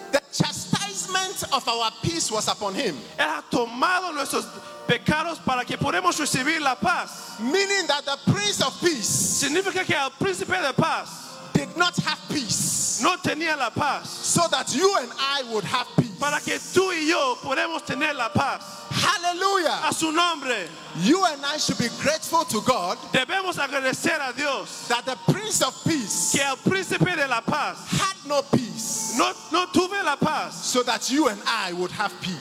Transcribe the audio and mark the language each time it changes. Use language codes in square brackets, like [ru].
[en] The chastisement of our peace was upon him. [es] Él ha tomado nuestros pecados para que podamos recibir la paz. [en] Meaning that the Prince of Peace. [es] Significa que el Príncipe de Paz. [en] Did not have peace. [es] No tenía la paz. [en] So that you and I would have peace. [es] Para que tú y yo podemos tener la paz. [en] Hallelujah. [es] A su nombre. [en] You and I should be grateful to God. [es] Debemos agradecer a Dios. [en] That the Prince of Peace. [es] Que el Príncipe de la Paz. [en] Had no peace. [es] No tuve la paz. [en] So that you and I would have peace.